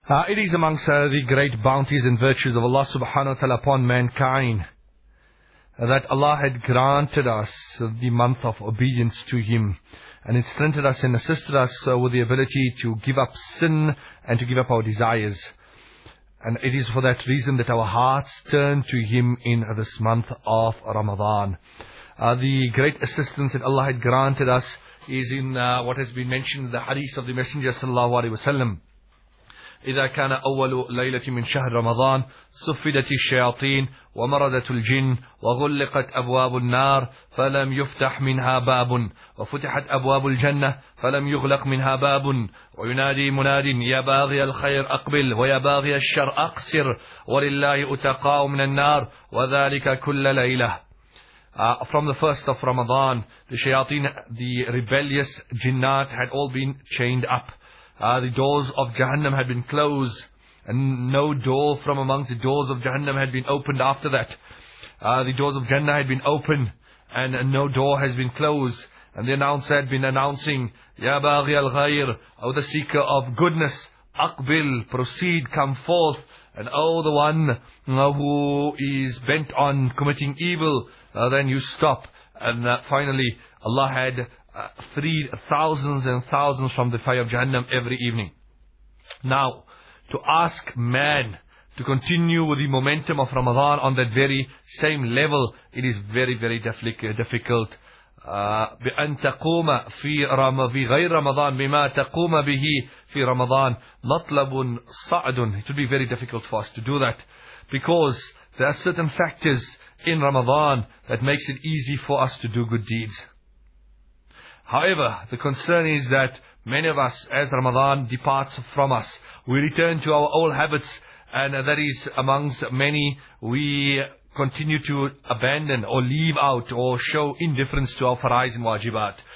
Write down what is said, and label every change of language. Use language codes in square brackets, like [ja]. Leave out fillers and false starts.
[en] It is amongst the great bounties and virtues of Allah subhanahu wa ta'ala upon mankind that Allah had granted us the month of obedience to Him, and it strengthened us and assisted us with the ability to give up sin and to give up our desires. And it is for that reason that our hearts turn to Him in this month of Ramadan. The great assistance that Allah had granted us is in what has been mentioned in the hadith of the Messenger sallallahu alaihi wasallam. [ar] إذا كان أول ليلة من شهر رمضان صفدت الشياطين ومردت الجن وغلقت أبواب النار فلم يفتح منها باب وفتحت أبواب الجنة فلم يغلق منها باب وينادي مناد يا باغي الخير أقبل ويا باغي الشر أقصر ولله أتقاء من النار وذلك كل ليلة. [en] From the first of Ramadan, the shayateen, the rebellious jinnat, had all been chained up. The doors of Jahannam had been closed, and no door from amongst the doors of Jahannam had been opened after that. The doors of Jannah had been open, and no door has been closed. And the announcer had been announcing, Ya Baghi al-Ghayr, O the seeker of goodness, Aqbil, proceed, come forth. And O the one who is bent on committing evil, then you stop. And finally, Allah had freed thousands and thousands from the fire of Jahannam every evening. Now, to ask man to continue with the momentum of Ramadan on that very same level, it is very, very difficult. [ar] بأن تقوم في غير رمضان بما تقوم به في رمضان مطلب صعد. [en] It would be very difficult for us to do that, because there are certain factors in Ramadan that makes it easy for us to do good deeds. However, the concern is that many of us, as Ramadan departs from us, we return to our old habits, and that is amongst many, we continue to abandon or leave out or show indifference to our faraiz and wajibat.